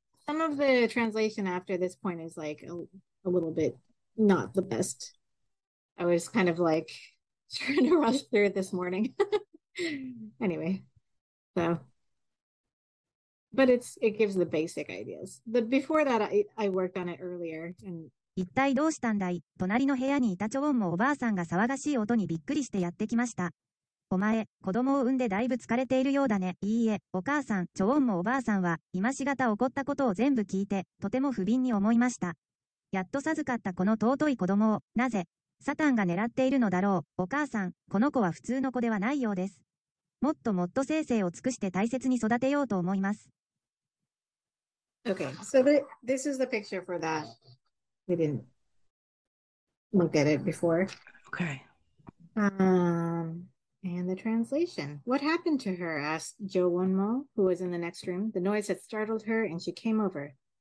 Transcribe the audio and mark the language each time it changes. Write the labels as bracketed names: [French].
[English] Some of the translation after this point is like a little bit not the best. I was kind of like trying to rush through it this morning. Anyway, so. But it gives the basic ideas. But before that, I worked on it earlier. And [Japanese] 一体どうしたんだい? 隣の部屋にいたチョウォンもおばあさんが騒がしい音にびっくりしてやってきました。お前、子供を産んでだいぶ疲れているようだね。いいえ、お母さん、チョウォンもおばあさんは、今しがた起こったことを全部聞いて、とても不憫に思いました。やっと授かったこの尊い子供を、なぜ、サタンが狙っているのだろう。お母さん、この子は普通の子ではないようです。もっともっと精誠を尽くして大切に育てようと思います。 [English] Okay, so this is the picture for that. We didn't look at it before. Okay. And the translation. What happened to her? Asked Jo Wonmo, who was in the next room. The noise had startled her and she came over.